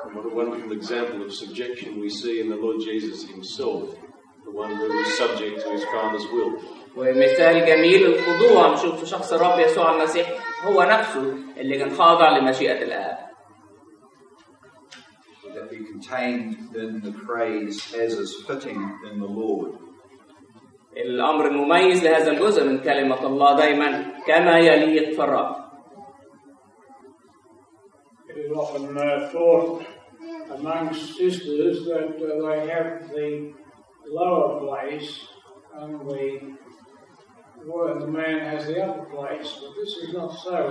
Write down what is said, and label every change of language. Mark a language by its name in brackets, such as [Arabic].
[English] What a wonderful example of subjection we see in the Lord Jesus Himself, the one who was subject to His Father's will. [Arabic] ومثال جميل الخضوع نشوف في شخص الرب يسوع المسيح هو نفسه اللي كان خاضع لمشيئة الآب. [English] That be contained in the phrase as is fitting in the Lord. [Arabic] الأمر المميز لهذا الجزء من كلمة الله دائما كما يليق في الرب. [English] It is often thought amongst sisters that they have the lower place and the man has the upper place, but this is not so.